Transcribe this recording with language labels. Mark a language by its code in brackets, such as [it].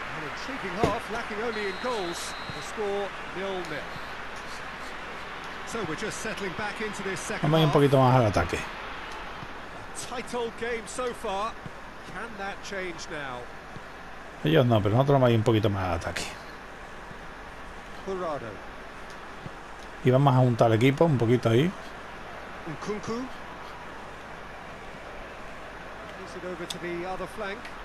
[en] intriguing half, lacking only in goals. The score 0-0. So we're just settling back into this second half. [es] Vamos un poquito más al ataque. [en] Tight old game so far. Can that change now? [es] Ellos no, pero nosotros vamos un poquito más al ataque. Corrado. Y vamos a juntar el equipo un poquito ahí. Nkunku. [en] Pass it over to the other flank.